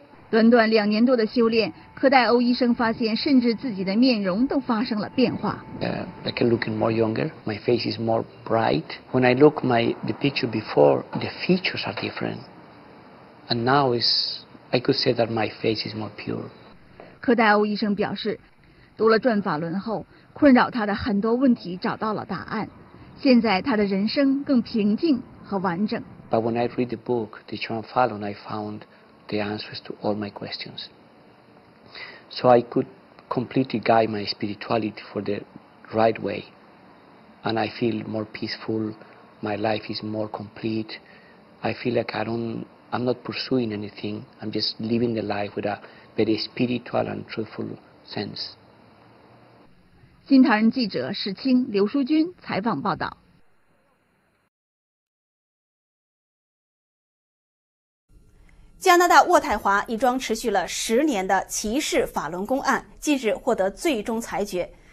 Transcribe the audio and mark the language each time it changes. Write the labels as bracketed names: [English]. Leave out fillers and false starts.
[Chinese] 短短两年多的修炼，科代欧医生发现，甚至自己的面容都发生了变化。 [English] I can look more younger. My face is more bright. When I look the picture before, the features are different. And now I could say that my face is more pure. [Chinese] 科代欧医生表示，读了转法轮后，困扰他的很多问题找到了答案。现在他的人生更平静和完整。 [English] But when I read the book, The Chuan Falun, I found the answers to all my questions. So I could completely guide my spirituality for the right way. And I feel more peaceful. My life is more complete. I feel like I'm not pursuing anything. I'm just living the life with a very spiritual and truthful sense. [Chinese] 新唐人记者史清、刘淑君采访报道。加拿大渥太华一桩持续了10年的歧视法轮功案近日获得最终裁决。